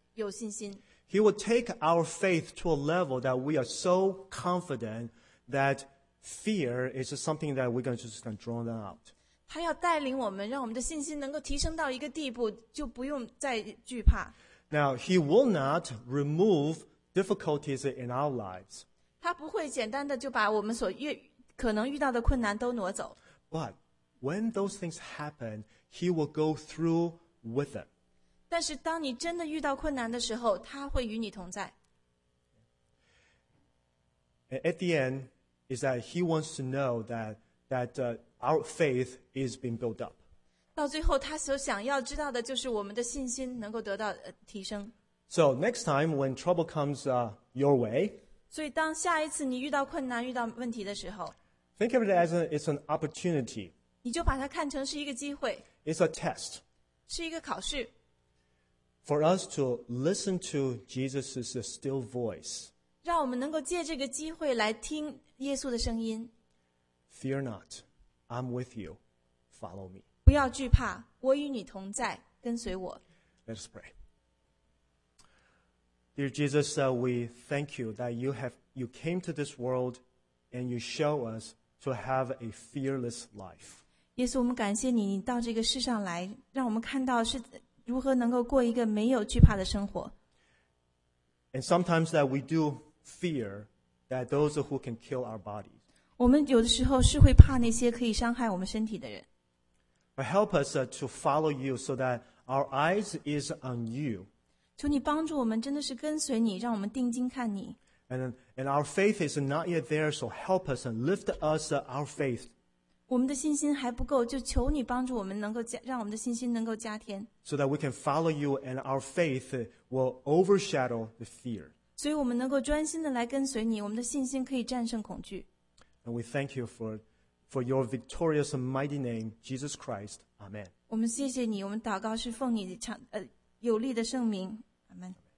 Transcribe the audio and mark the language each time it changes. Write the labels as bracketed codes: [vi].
[zh] 有信心。 [en] He will take our faith to a level that we are so confident that fear is something that we're going to just draw them out. [zh] 他要带领我们，让我们的信心能够提升到一个地步，就不用再惧怕。 [en] Now, he will not remove difficulties in our lives. [zh] 他不会简单的就把我们所可能遇到的困难都挪走。 [en] But when those things happen, he will go through with them. [zh] 但是当你真的遇到困难的时候，他会与你同在。 [en] At the end, is that he wants to know that our faith is being built up. [zh] 到最后他所想要知道的就是我们的信心能够得到提升。 [en] So next time when trouble comes your way, [zh] 所以当下一次你遇到困难遇到问题的时候 [en] think of it as it's an opportunity. [zh] 你就把它看成是一个机会。 [en] It's a test. [zh] 是一个考试。 [en] For us to listen to Jesus' still voice. [zh] 让我们能够借这个机会来听耶稣的声音。 [en] Fear not, I'm with you. Follow me. [zh] 不要惧怕，我与你同在，跟随我。 [en] Let us pray. Dear Jesus, we thank you that you came to this world and you show us to have a fearless life. [zh] 耶稣，我们感谢你，你到这个世上来，让我们看到是如何能够过一个没有惧怕的生活。 [en] And sometimes that we do fear that those who can kill our body. [zh] 我们有的时候是会怕那些可以伤害我们身体的人。 [en] But help us to follow you so that our eyes is on you. [zh] 求你帮助我们真的是跟随你，让我们定睛看你。 [en] And our faith is not yet there, so help us and lift us our faith. [zh] 我们的信心还不够，就求你帮助我们能够加，让我们的信心能够加添。 [en] So that we can follow you and our faith will overshadow the fear. [zh] 所以我们能够专心的来跟随你，我们的信心可以战胜恐惧。 [en] And we thank you for your victorious and mighty name, Jesus Christ. Amen. [zh] 我们谢谢你，我们祷告是奉你有力的圣名。 [en] Amen. Amen.